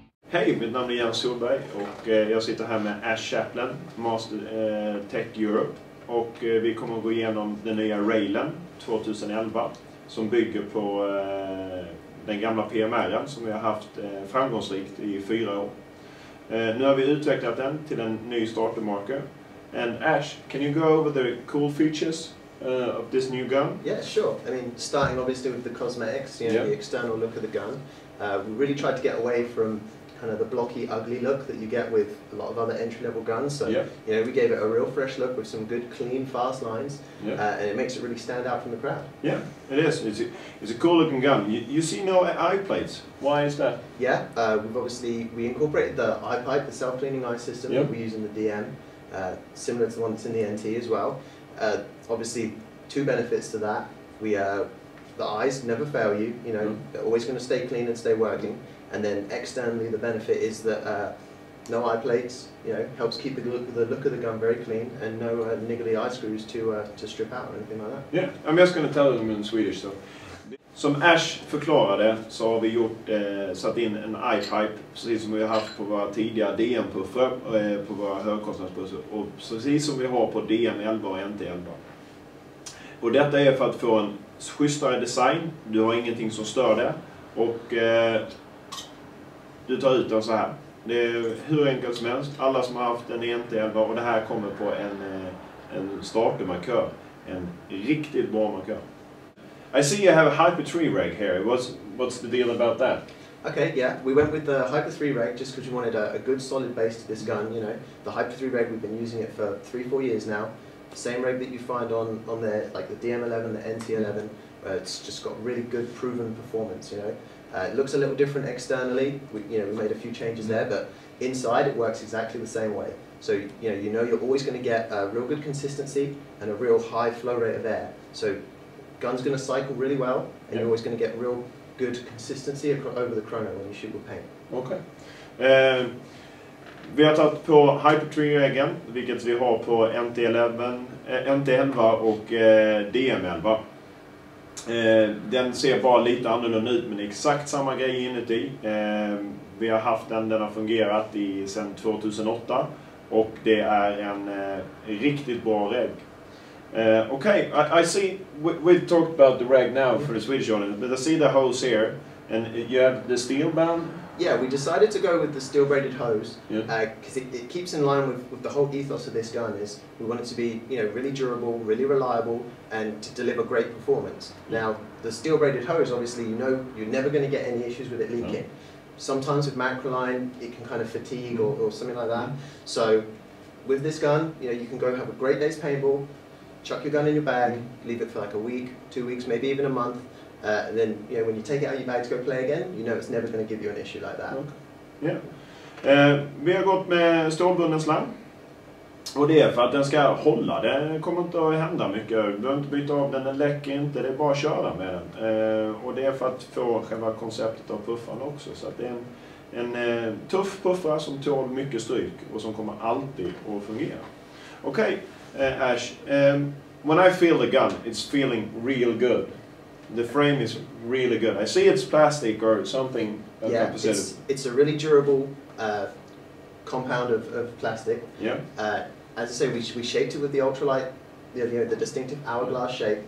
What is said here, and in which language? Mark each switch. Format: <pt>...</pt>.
<sv>Hej, mitt namn är Jens Solberg och jag sitter här med Ash Chaplin, Master Tech Europe. Och vi kommer att gå igenom den nya railen 2011 som bygger på den gamla PMR:en som vi har haft framgångsrikt i 4 år. Nu har vi utvecklat den till en ny starter marker.</sv> <en>And Ash, can you go over the cool features of this new gun? Yeah, sure. I mean, starting obviously with the cosmetics, you know, the external look of the gun. We really tried to get away from kind of the blocky, ugly look that you get with a lot of other entry-level guns. So, you know, we gave it a real fresh look with some good, clean, fast lines. And it makes it really stand out from the crowd. Yeah, it is. It's a cool-looking gun. You see no eye plates. Why is that? Yeah, we incorporated the eye pipe, the self-cleaning eye system that we use in the DM. Similar to the one that's in the NT as well. Obviously, two benefits to that. The eyes never fail you, you know, they're always going to stay clean and stay working. And then externally, the benefit is that no eye plates, you know, helps keep the look of the gun very clean, and no niggly eye screws to strip out or anything like that. Yeah, I'm just going to tell them in Swedish. So.</en> <sv>Som Ash förklarade så har vi satt in en eye-pipe, precis som vi har haft på våra tidiga DM-puffer på våra högkostnadsbussar och precis som vi har på DM11 och NT11. Och detta är för att få en schysstare design, du har ingenting som stör det och du tar ut den så här. Det är hur enkelt som helst, alla som har haft en NT11 och det här kommer på en startermarkör, en riktigt bra markör.</sv> <en>I see you have a Hyper 3 reg here. What's the deal about that? Okay, yeah, we went with the Hyper 3 reg just because we wanted a good solid base to this gun. You know, the Hyper 3 reg, we've been using it for 3-4 years now. Same reg that you find on the, like the DM11, the NT11. It's just got really good proven performance, you know. It looks a little different externally. We made a few changes there, but inside it works exactly the same way. So, you know you're always going to get a real good consistency and a real high flow rate of air. So, gun's going to cycle really well, and you're always going to get real good consistency over the chrono when you shoot with paint. Okay.</en> <sv>Vi har tagit på Hyper 3-regeln, vilket vi har på NT11 och DM11. Den ser bara lite annorlunda ut, men exakt samma grej inuti. Vi har haft den har fungerat sedan 2008, och det är en riktigt bra reg.</sv> <en>Okay, I see we've talked about the reg now for the Swedish on it, but I see the hose here, and you have the steel band? Yeah, we decided to go with the steel braided hose, because it keeps in line with the whole ethos of this gun is we want it to be, you know, really durable, really reliable, and to deliver great performance. Now, the steel braided hose, obviously, you know, you're never going to get any issues with it leaking. No. Sometimes with macroline, it can kind of fatigue or something like that. So, with this gun, you know, you can go have a great day's paintball, chuck your gun in your bag, leave it for like a week, 2 weeks, maybe even a month, and then, you know, when you take it out of your bag to go play again, you know it's never going to give you an issue like that. Okay. Yeah.</en> <sv>Vi har gått med stålbunden slang, och det är för att den ska hålla. Det kommer inte att hända mycket. Du behöver inte byta av den, den läcker inte, det är bara att köra med den. Och det är för att få själva konceptet av puffarna också, så att det är en tuff puffra som tål mycket stryk och som kommer alltid att fungera. Okej. Okay.</sv> <en>Ash, when I feel the gun, it's feeling real good. The frame is really good. I see it's plastic or something. Yeah, it's a really durable compound of plastic. Yeah. As I say, we shaped it with the ultralight, the distinctive hourglass shape.</en>